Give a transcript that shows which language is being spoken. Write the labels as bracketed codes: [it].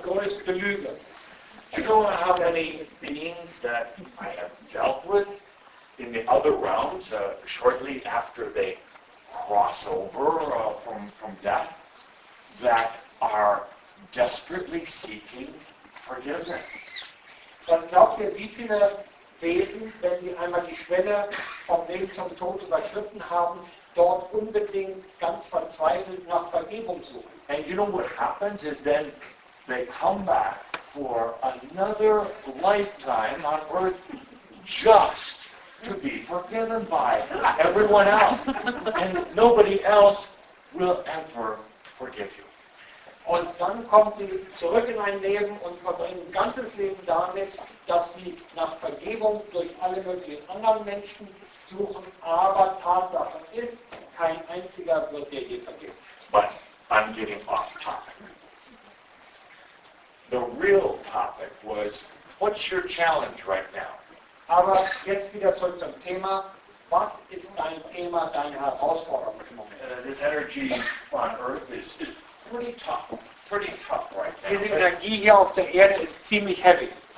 [en] You know how many beings that I have dealt with in the other realms, shortly after they cross over from death, that are desperately seeking forgiveness. [de] Was glaubt ihr, wie viele Wesen, wenn sie einmal die Schwelle vom Weg zum Tod überschritten haben, dort unbedingt ganz verzweifelt nach Vergebung suchen? [en] And you know what happens is then they come back for another lifetime on Earth just to be forgiven by everyone else, and nobody else will ever forgive you. [de] Und dann kommt sie zurück in ein Leben und verbringt ein ganzes Leben damit, dass sie nach Vergebung durch alle möglichen anderen Menschen suchen, aber Tatsache ist, kein einziger wird dir je vergeben. [en] But I'm getting off topic. The real topic was, what's your challenge right now? [de] Aber jetzt wieder zurück zum Thema. Was ist dein Thema, deine Herausforderung im Moment? [en] This energy on Earth is pretty tough. Pretty tough right now. [de] Diese Energie hier auf der Erde ist ziemlich heavy.